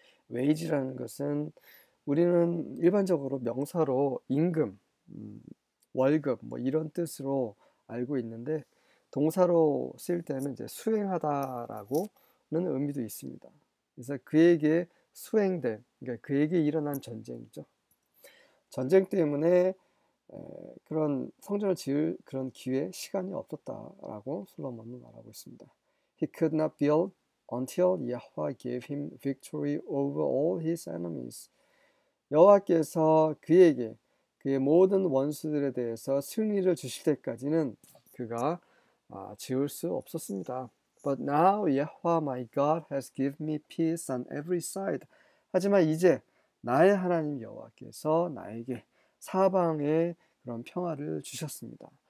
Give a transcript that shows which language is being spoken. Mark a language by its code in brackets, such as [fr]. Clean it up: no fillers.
[ko] wage라는 것은 우리는 일반적으로 명사로 임금, 월급 뭐 이런 뜻으로 알고 있는데 동사로 쓰일 때는 이제 수행하다라고는 의미도 있습니다. 그래서 그에게 수행된, 그러니까 그에게 일어난 전쟁이죠. 전쟁 때문에 그런 성전을 지을 그런 기회, 시간이 없었다라고 솔로몬은 말하고 있습니다. [en] He could not build until Yahweh gave him victory over all his enemies. [ko] 여호와께서 그에게 그의 모든 원수들에 대해서 승리를 주실 때까지는 그가 지을 수 없었습니다. [en] But now Yahweh my God has given me peace on every side. [ko] 하지만 이제 나의 하나님 여호와께서 나에게 사방에 그런 평화를 주셨습니다.